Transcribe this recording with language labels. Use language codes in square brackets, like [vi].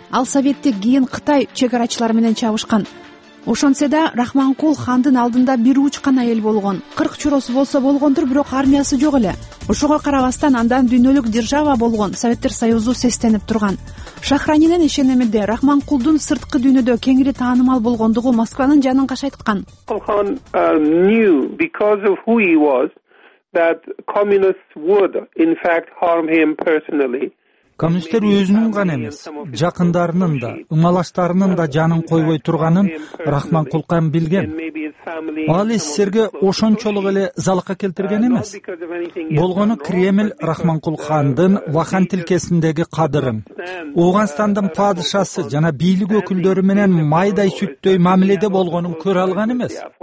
[ky] Ал советтик кийин Кытай чек арачылары менен чабышкан. Ошонсе да Рахманкул хандын алдында бир ууч кана эл болгон. 40 чуросу болсо болгондур, бирок армиясы жок эле. Ошого карабастан андан дүйнөлүк держава болгон Советтер Союзу сестенип турган. Шахранинин ишенимиде Рахманкулдун сырткы дүйнөдө кеңири таанымал болгондугу Москванын жанын кашайткан. [en] Хан knew because of who he was that communists would in fact harm him personally. [ky] Коммунисттер өзүнүн гана эмес, жакындарынын да, ыңалаштарынын да жанын койбой турганын Рахманкул хан билген. Ал СССРге ошончолук эле залыкка келтирген эмес. Болгону Кремль Рахманкул хандын Вахан тилкесиндеги кадырын, Ооганстандын падышасы жана бийлик өкүлдөрү менен майдай сүттөй мамиледе болгонун көрө алган эмес.